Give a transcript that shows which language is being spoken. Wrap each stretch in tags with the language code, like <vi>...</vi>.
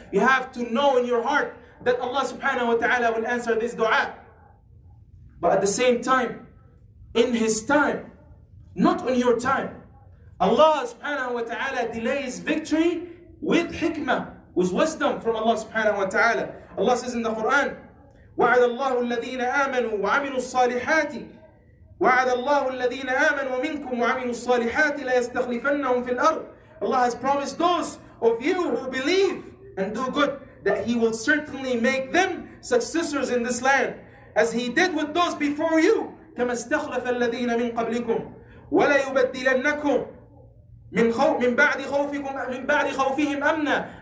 <en>You have to know in your heart that Allah subhanahu wa ta'ala will answer this dua. But at the same time, in His time, not on your time, Allah subhanahu wa ta'ala delays victory with hikmah, with wisdom from Allah subhanahu wa ta'ala. Allah says in the Quran,</en> <ar>وَعَدَ اللَّهُ الَّذِينَ آمَنُوا وَعَمِلُوا الصَّالِحَاتِ وَعَدَ اللَّهُ الَّذِينَ آمَنُوا مِنْكُمْ وَعَمِلُوا الصَّالِحَاتِ لَيَسْتَخْلِفَنَّهُمْ فِي الْأَرْضِ.</ar> <en>Allah has promised those of you who believe and do good that He will certainly make them successors in this land, as He did with those before you.</en> <ar>كَمَا اسْتَخْلَفَ الَّذِينَ مِنْ قَبْلِكُمْ وَلَا يُبَدِّلَنَّكُمْ مِنْ بَعْدِ خَوْفِهِمْ أَمْنًا.</ar>